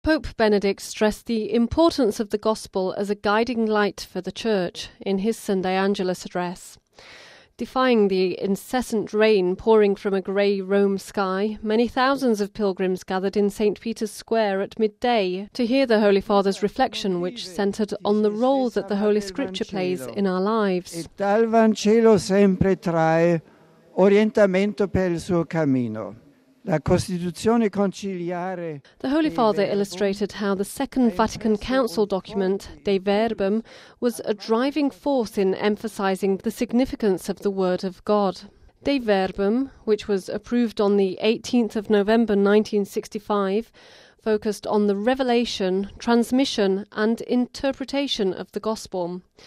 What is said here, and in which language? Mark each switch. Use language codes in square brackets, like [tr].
[en] Pope Benedict stressed the importance of the gospel as a guiding light for the church in his Sunday Angelus address. Defying the incessant rain pouring from a grey Rome sky, many thousands of pilgrims gathered in St. Peter's Square at midday to hear the Holy Father's reflection, which centred on the role that the Holy Scripture plays in our lives. [it] E dal Vangelo sempre trae orientamento per il suo cammino. La Costituzione conciliare. [en] The Holy Father illustrated how the Second Vatican Council document, De Verbum, was a driving force in emphasizing the significance of the Word of God. De Verbum, which was approved on the 18th of November 1965, focused on the revelation, transmission, and interpretation of the Gospel.